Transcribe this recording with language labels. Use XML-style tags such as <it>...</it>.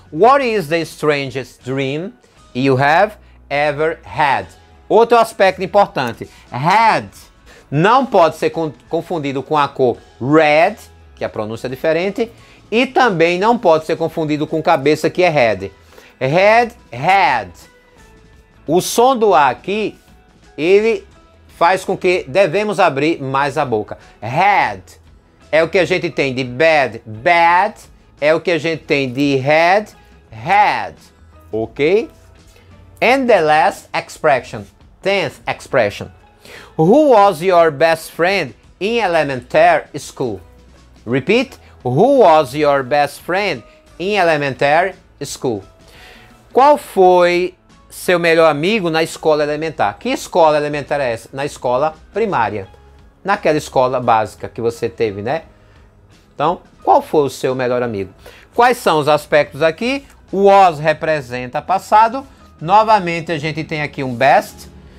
<en>What is the strangest dream you have ever had?</en> <pt>Outro aspecto importante. Had não pode ser confundido com a cor red, que a pronúncia é diferente. E também não pode ser confundido com cabeça, que é head. Head, had. O som do A aqui, ele faz com que devemos abrir mais a boca. Had é o que a gente tem de bad, bad. É o que a gente tem de had, had.</pt> <en>Ok? And the last expression, tenth expression. Who was your best friend in elementary school? Repeat. Who was your best friend in elementary school?</en> <pt>Qual foi seu melhor amigo na escola elementar? Que escola elementar é essa? Na escola primária. Naquela escola básica que você teve, né? Então, qual foi o seu melhor amigo? Quais são os aspectos aqui? Was representa passado. Novamente, a gente tem aqui um best.</pt>